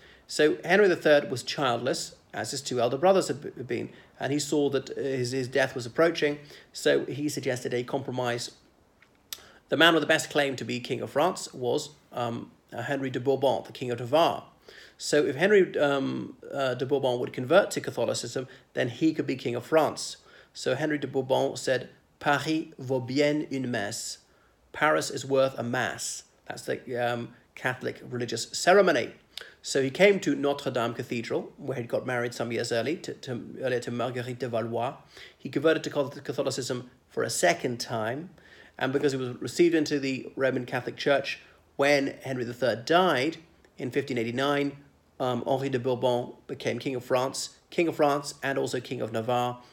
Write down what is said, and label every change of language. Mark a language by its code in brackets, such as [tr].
[en] So Henry III was childless, as his two elder brothers had been, and he saw that his death was approaching, so he suggested a compromise. The man with the best claim to be King of France was Henry de Bourbon, the King of Navarre. So if Henry de Bourbon would convert to Catholicism, then he could be King of France. [fr] So Henry de Bourbon said, "Paris vaut bien une messe." [en] Paris is worth a mass. That's the Catholic religious ceremony. So he came to Notre Dame Cathedral, where he'd got married some years earlier to Marguerite de Valois. He converted to Catholicism for a second time. And because he was received into the Roman Catholic Church, when Henry III died in 1589, Henri de Bourbon became King of France, and also King of Navarre.